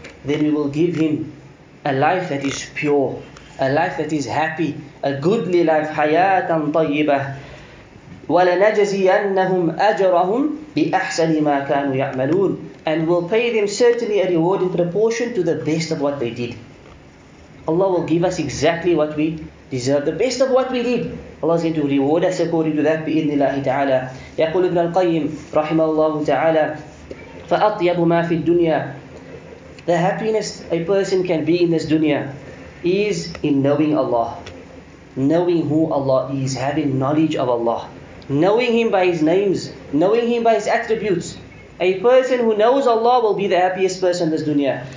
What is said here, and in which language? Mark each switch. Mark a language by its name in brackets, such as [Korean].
[English] Then we will give him a life that is pure, a life that is happy, a goodly life, [Arabic] حَيَاةً طَيِّبَةً. وَلَنَجَزِيَنَّهُمْ أَجْرَهُمْ بِأَحْسَنِ مَا كَانُوا يَعْمَلُونَ. [English] And we'll pay them certainly a reward in proportion to the best of what they did. Allah will give us exactly what we deserve the best of what we did. Allah is going to reward us according to that [Arabic] بِإِذْنِ اللَّهِ تَعَالَى. يقول ابن القيم رحمه الله تعالى فَأَطْيَبُ مَا فِي الدُّنْيَا. [English] The happiness a person can be in this dunya is in knowing Allah. Knowing who Allah is, having knowledge of Allah. Knowing Him by His names, knowing Him by His attributes. A person who knows Allah will be the happiest person in this dunya.